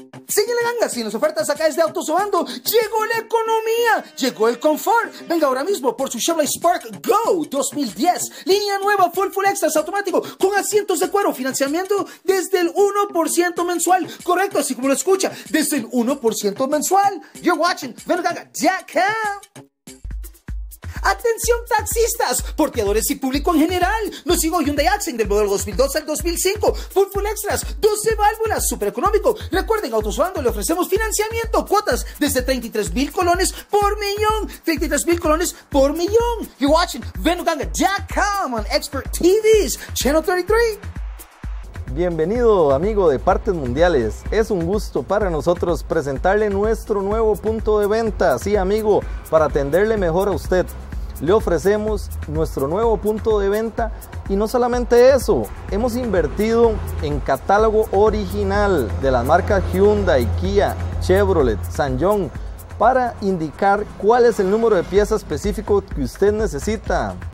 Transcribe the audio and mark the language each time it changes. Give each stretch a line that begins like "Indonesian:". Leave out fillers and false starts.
Spanish: Síguele gangas y las ofertas acá desde Autosubando. ¡Llegó la economía! ¡Llegó el confort! Venga ahora mismo por su Chevrolet Spark Go 2010. Línea nueva, full extras, automático, con asientos de cuero, financiamiento desde el 1% mensual. Correcto, así como lo escucha, desde el 1% mensual.
English: You're watching VendoGanga.com.
Spanish: ¡Atención taxistas, porteadores y público en general! Nos sigo Hyundai Accent del modelo 2002 al 2005. Full extras, 12 válvulas, súper económico. Recuerden, Autosubando le ofrecemos financiamiento. Cuotas desde 33,000 colones por millón. 33,000 colones por millón.
English: You're watching VendoGanga.com on Expert TVs, Channel 33.
Spanish: Bienvenido, amigo de Partes Mundiales. Es un gusto para nosotros presentarle nuestro nuevo punto de venta. Sí, amigo, para atenderle mejor a usted. Le ofrecemos nuestro nuevo punto de venta y no solamente eso, hemos invertido en catálogo original de las marcas Hyundai, Kia, Chevrolet, SsangYong para indicar cuál es el número de piezas específico que usted necesita.